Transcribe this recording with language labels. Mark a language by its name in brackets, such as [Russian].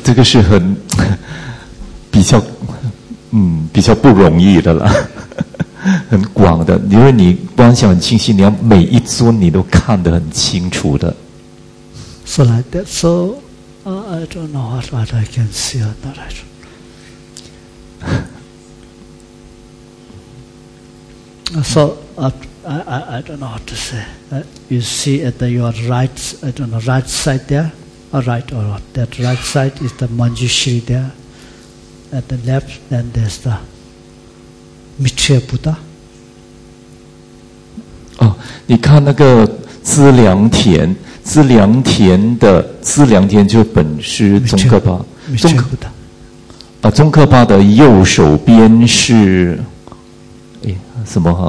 [Chinese] 这个是很比较比较不容易的了，很广的。因为你观想很清晰，你要每一尊你都看得很清楚的。 [English] So like that. So, I don't know what I can see or not. I don't. So, I don't know what to say. You see at the, your right, I don't know, right side there, or right or what, that right side is the Manjushri there. At the left, then there's the Maitreya Buddha. [Chinese] Oh, 你看那个资粮田，资粮田的资粮田就本师宗喀巴。 [English] Maitreya Buddha. [Chinese] 宗喀巴的右手边是什么哈？